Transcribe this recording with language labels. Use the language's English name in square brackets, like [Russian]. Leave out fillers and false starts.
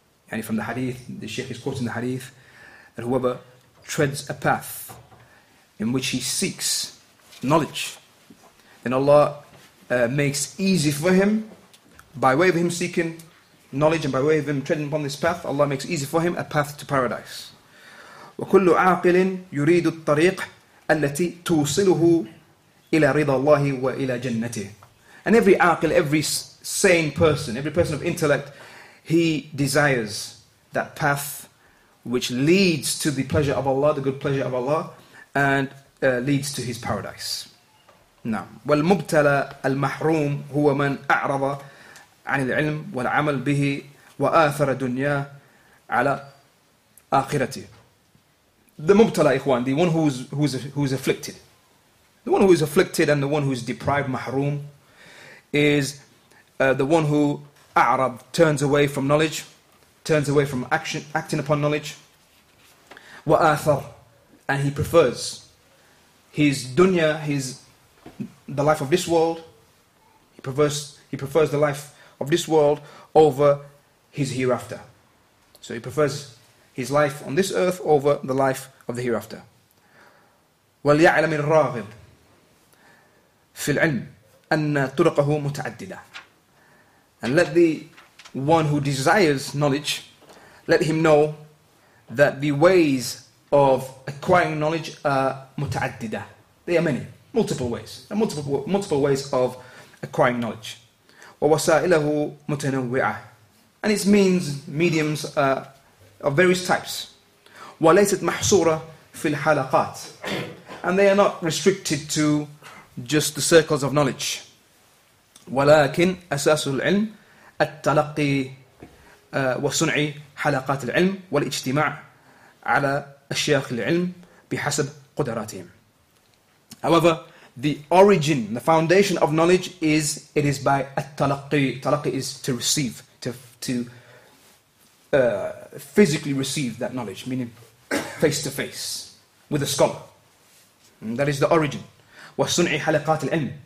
[English] Yani from the hadith, the sheikh is quoting the hadith, that whoever treads a path in which he seeks knowledge, then Allah makes easy for him, by way of him seeking knowledge and by way of him treading upon this path, Allah makes easy for him a path to paradise. [Arabic] وكل عاقل يريد الطريق التي توصله إلى رضا الله وإلى جنته. [English] And every عاقل, every sane person, every person of intellect, he desires that path which leads to the pleasure of Allah, the good pleasure of Allah, and leads to his paradise. [Arabic] نعم. والمبتلى المحروم هو من أعرض عن العلم والعمل به وآثر الدنيا على آخرته. [English] The mubtala, ikhwan, the one who's afflicted. The one who is afflicted and the one who is deprived, mahroom, is the one who, a'rab, turns away from knowledge, turns away from action, acting upon knowledge. Wa'athar, and he prefers his dunya, the life of this world, he prefers the life of this world over his hereafter. So he prefers his life on this earth over the life of the hereafter. [Arabic] وليعلم الراغب في العلم أن طرقه متعددة. [English] And let the one who desires knowledge, let him know that the ways of acquiring knowledge are متعددة. They are many, multiple ways. There are multiple ways of acquiring knowledge. [Arabic] ووسائله متنوعة. [English] And its means, mediums are of various types. [Arabic] وليست محصورة في الحلقات. [English] And they are not restricted to just the circles of knowledge. [Arabic] ولكن أساس العلم التلقي وصنع حلقات العلم والاجتماع على أشياخ العلم بحسب قدراتهم. [English] However, the origin, the foundation of knowledge is, it is by التلقي. التلقي is to receive, to physically receive that knowledge, meaning face to face with a scholar. And that is the origin. [Arabic] وَصُنْعِ حَلَقَاتِ الْعِلْمِ.